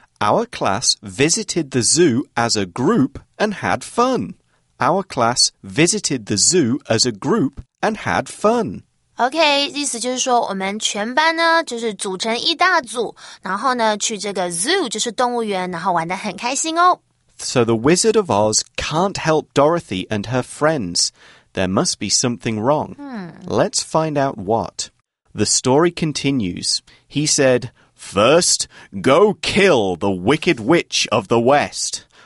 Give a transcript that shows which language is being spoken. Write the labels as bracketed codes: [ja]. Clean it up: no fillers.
[en] Our class visited the zoo as a group and had fun. Our class visited the zoo as a group and had fun. [zh] OK, 意思就是说我们全班呢就是组成一大组然后呢去这个 zoo 就是动物园然后玩得很开心哦。 [en] So the Wizard of Oz can't help Dorothy and her friends. There must be something wrong. Let's find out what. The story continues. He said, First, go kill the Wicked Witch of the West.